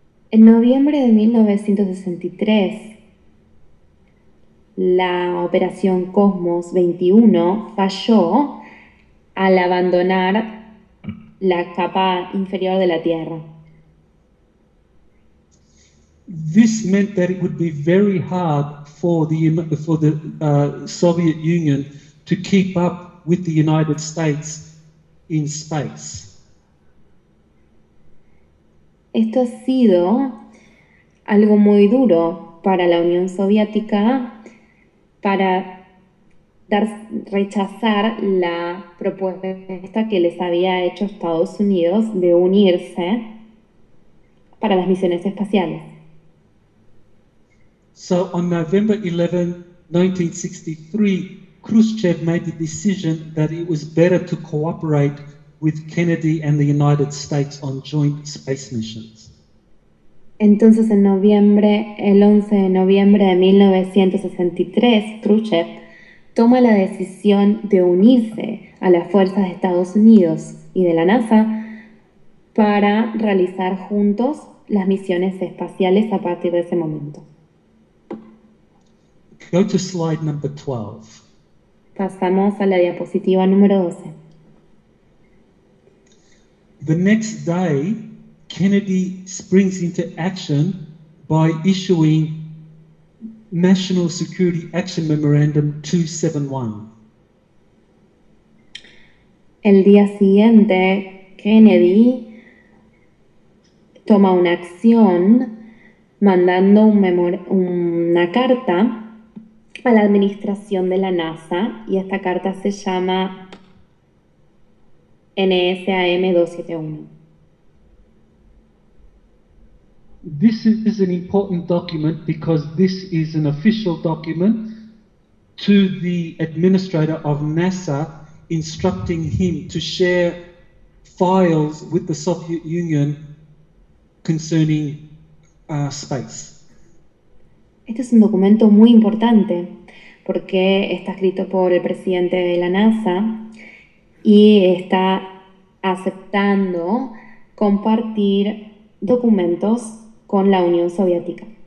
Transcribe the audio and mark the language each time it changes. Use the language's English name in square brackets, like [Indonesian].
[Spanish] En noviembre de 1963, la operación Cosmos 21 falló al abandonar la capa inferior de la Tierra. [English] This meant that it would be very hard for the Soviet Union to keep up with the United States in space. [Spanish] Esto ha sido algo muy duro para la Unión Soviética para rechazar la propuesta que les había hecho Estados Unidos de unirse para las misiones espaciales. [English] So on November 11, 1963, Khrushchev made the decision that it was better to cooperate with Kennedy and the United States on joint space missions. [Spanish] Entonces, en noviembre, el 11 de noviembre de 1963, Khrushchev toma la decisión de unirse a las fuerzas de Estados Unidos y de la NASA para realizar juntos las misiones espaciales a partir de ese momento. [English] Go to slide number 12. [Spanish] Pasamos a la diapositiva número 12. [English] The next day, Kennedy springs into action by issuing National Security Action Memorandum 271. [Spanish] El día siguiente, Kennedy toma una acción mandando una carta a la administración de la NASA, y esta carta se llama NSAM 271. [English] This is an important document because this is an official document to the administrator of NASA instructing him to share files with the Soviet Union concerning space. [Spanish] Este es un documento muy importante porque está escrito por el presidente de la NASA y está aceptando compartir documentos con la Unión Soviética.